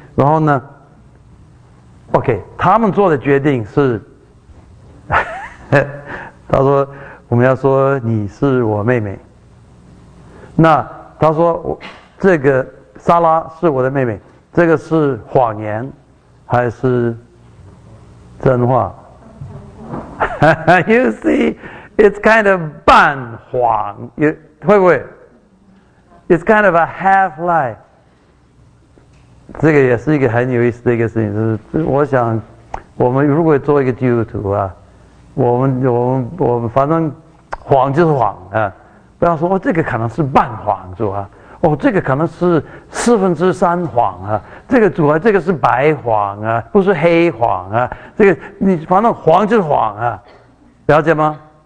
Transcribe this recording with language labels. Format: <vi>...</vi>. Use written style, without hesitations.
<zh>然后呢 ，OK， 他们做的决定是，他说我们要说你是我妹妹。那他说这个撒拉是我的妹妹，这个是谎言还是真话？</zh> <en>You see。 It's kind of</en> <zh>半谎，会不会</zh> <en>？It's kind of a half lie。</en> <zh>这个也是一个很有意思的一个事情，就是我想，我们如果做一个基督徒啊，我们反正谎就是谎啊，不要说哦这个可能是半谎主啊，哦这个可能是四分之三谎啊，这个主啊这个是白谎啊，不是黑谎啊，这个你反正谎就是谎啊，了解吗？</zh>